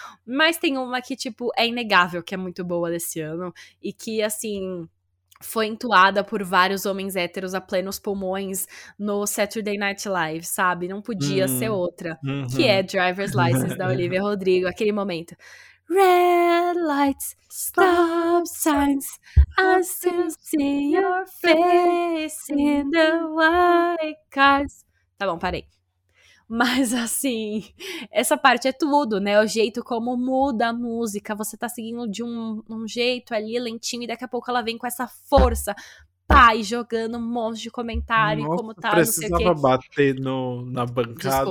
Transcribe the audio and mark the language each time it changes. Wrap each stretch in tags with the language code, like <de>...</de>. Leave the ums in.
<pt>Mas tem uma que tipo é inegável que é muito boa desse ano e que, assim, foi entoada por vários homens héteros a plenos pulmões no Saturday Night Live, sabe? Não podia Hum. ser outra. Uhum. Que é Driver's License da Olivia Rodrigo, aquele momento.</pt> <en>Red lights, stop signs, I still see your face in the white cars.</en> <pt>Tá bom, parei. Mas assim, essa parte é tudo, né? O jeito como muda a música, você tá seguindo de um, um jeito ali, lentinho, e daqui a pouco ela vem com essa força. Pai, jogando um monte de comentário, e Nossa, como tá, não sei o quê. precisava bater no, na bancada.</pt>